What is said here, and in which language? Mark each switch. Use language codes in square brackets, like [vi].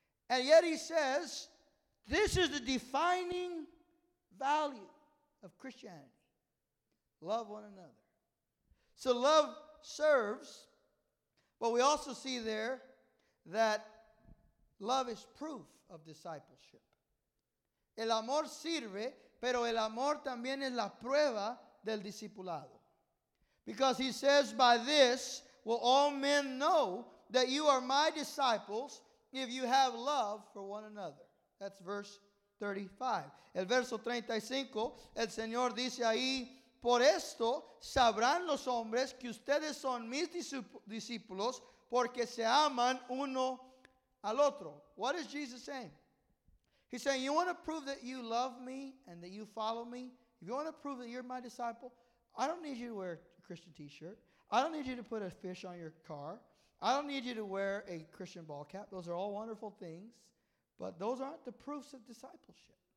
[en] And yet he says, this is the defining value of Christianity. Love one another. So love serves. But we also see there that love is proof of discipleship. [es] El amor sirve, pero el amor también es la prueba del discipulado. [en] Because he says, "By this will all men know that you are my disciples if you have love for one another." That's verse 35. [es] El verso 35, el Señor dice ahí, "Por esto sabrán los hombres que ustedes son mis discípulos porque se aman uno al otro." [en] What is Jesus saying? He's saying, you want to prove that you love me and that you follow me? If you want to prove that you're my disciple, I don't need you to wear a Christian t-shirt. I don't need you to put a fish on your car. I don't need you to wear a Christian ball cap. Those are all wonderful things, but those aren't the proofs of discipleship.